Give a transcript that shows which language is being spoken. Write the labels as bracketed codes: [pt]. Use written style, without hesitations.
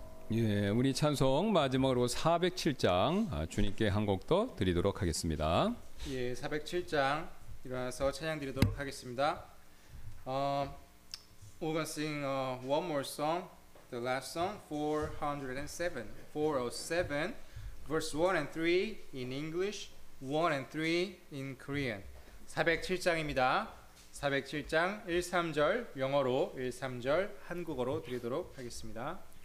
[ko] 예, 우리 찬송 마지막으로 407장 주님께 한 곡 더 드리도록 하겠습니다. 예, 407장 일어나서 찬양 드리도록 하겠습니다. [en] We're gonna sing one more song, the last song, 407, verse 1 and 3 in English, 1 and 3 in Korean. [ko] 407장입니다. 407장 13절 영어로, 13절 한국어로 드리도록 하겠습니다.